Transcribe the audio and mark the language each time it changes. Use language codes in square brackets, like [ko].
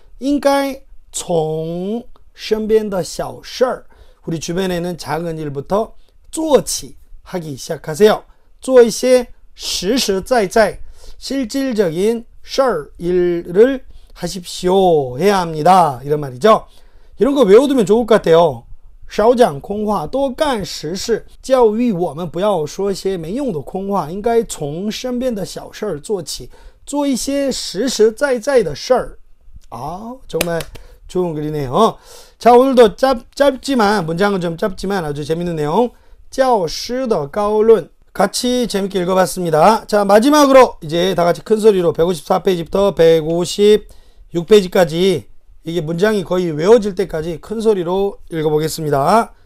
[zh] 应该 从身边的小事儿， [ko] 우리 주변에는 작은 일부터 做起 하기 시작하세요. [zh] 做一些实实在在、 [ko] 실질적인 事儿일을 하십시오 해야 합니다. 이런 말이죠. 이런 거 외워두면 좋을 것 같아요. [zh] 少讲空话，多干实事。教育我们不要说些没用的空话，应该从身边的小事儿做起，做一些实实在在的事儿。 [ko] 정말 좋은 글이네요. 자, 오늘도 짧지만, 문장은 좀 짧지만 아주 재밌는 내용. [zh] 教师的高论. [ko] 같이 재밌게 읽어봤습니다. 자, 마지막으로 이제 다 같이 큰 소리로 154페이지부터 156페이지까지 이게 문장이 거의 외워질 때까지 큰 소리로 읽어보겠습니다.